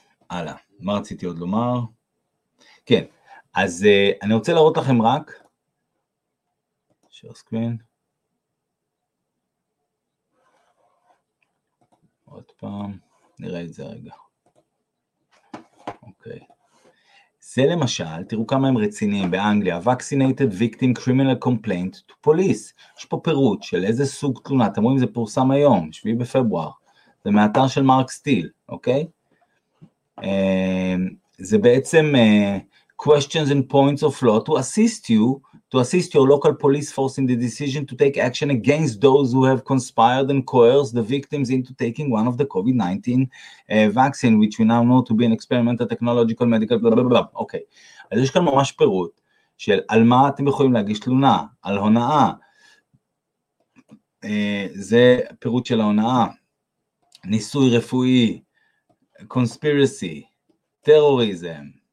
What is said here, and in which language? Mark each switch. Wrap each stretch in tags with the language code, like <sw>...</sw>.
<he>הלאה, מה רציתי עוד לומר? כן, אז אני רוצה להראות לכם רק,</he> <en>share screen,</en> <he>עוד פעם, נראה את זה רגע. אוקיי. זה למשל, תראו כמה הם רציניים באנגליה,</he> <en>Vaccinated Victim Criminal Complaint to Police.</en> <he>יש פה פירוט של איזה סוג תלונה, אתם רואים זה פורסם היום, 7 בפברואר. זה מאתר של מרק סטיל, אוקיי? זה בעצם</he> <en>questions and points of law to assist your local police force in the decision to take action against those who have conspired and coerced the victims into taking one of the COVID-19 vaccine, which we now know to be an experimental technological medical, blah, blah, blah. Okay.</en> <he>אז יש כאן ממש פירוט של על מה אתם יכולים להגיש תלונה, על הונאה. זה פירוט של ההונאה. ניסוי רפואי,</he> <en>conspiracy, terrorism.</en>